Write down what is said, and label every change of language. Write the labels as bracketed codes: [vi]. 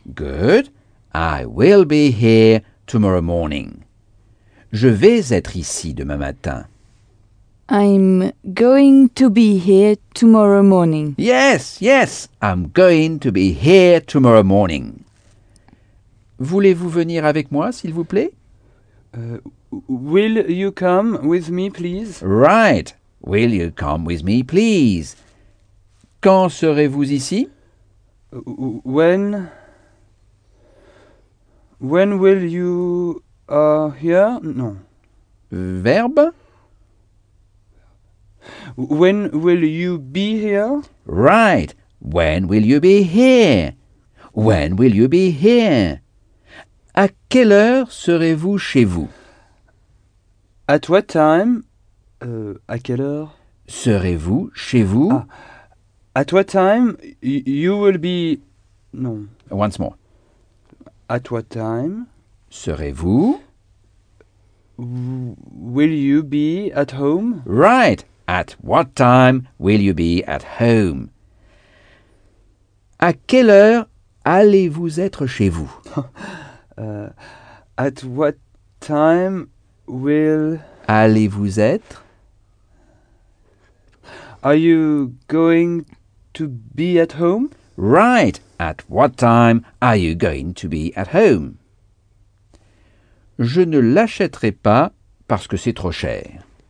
[en] Good. I will be here tomorrow morning. [fr] Je vais être ici demain matin. [en] I'm going to be here tomorrow morning. Yes, yes, I'm going to be here tomorrow morning. [fr] Voulez-vous venir avec moi, s'il vous plaît? [en] Will you come with me, please? Right. Will you come with me, please? [fr] Quand serez-vous ici? [en] When will you here? [fr] Non. Verbe? [en] When will you be here? Right. When will you be here? When will you be here? [fr] À quelle heure serez-vous chez vous? [en] At what time? [fr] À quelle heure? Serez-vous chez vous? [en] At what time you will be... [fr] Non. [en] Once more. At what time? [fr] Serez-vous? [en] Will you be at home? Right. At what time will you be at home? [fr] À quelle heure allez-vous être chez vous? [en] At what time will... [fr] Allez-vous être? [en] Are you going to be at home? Right. At what time are you going to be at home? [fr] Je ne l'achèterai pas parce que c'est trop cher.